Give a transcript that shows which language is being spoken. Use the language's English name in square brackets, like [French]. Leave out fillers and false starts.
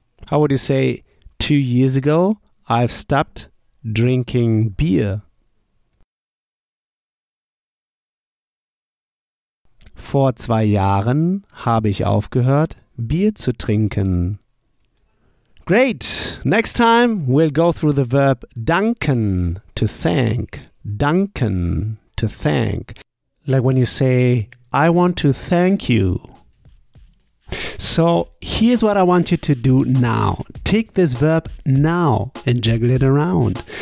[English] How would you say, 2 years ago, I've stopped drinking beer. [German] Vor 2 Jahren habe ich aufgehört, Bier zu trinken. [English] Great! Next time we'll go through the verb danken, to thank. Danken, to thank. Like when you say, I want to thank you. So here's what I want you to do now. Take this verb now and juggle it around.